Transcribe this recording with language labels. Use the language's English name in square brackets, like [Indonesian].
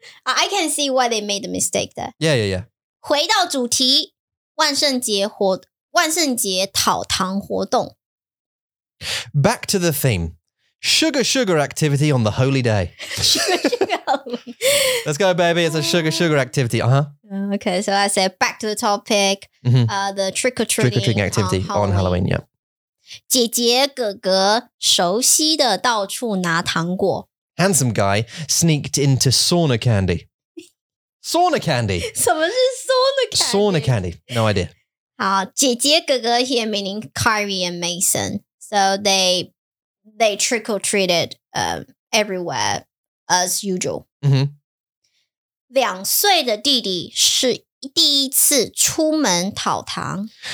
[English] I can see why they made the mistake there. Yeah. [Chinese] 回到主题，万圣节讨糖活动。 [English] Back to the theme. Sugar activity on the holy day. Sugar. Let's go, baby. It's a sugar activity. Uh-huh. Okay, so I said back to the topic. Mm-hmm. The trick-or-treating activity on Halloween. Yeah. [Chinese] 姐姐哥哥熟悉的到处拿糖果。 [English] Handsome guy sneaked into sauna candy. Sauna candy. [Chinese] 什么是 sauna candy? [English] Sauna candy. No idea. [Chinese] 好，姐姐哥哥 [English] here meaning Kyrie and Mason. So they trick-or-treated everywhere as usual. [Chinese] 两岁的弟弟是第一次出门讨糖。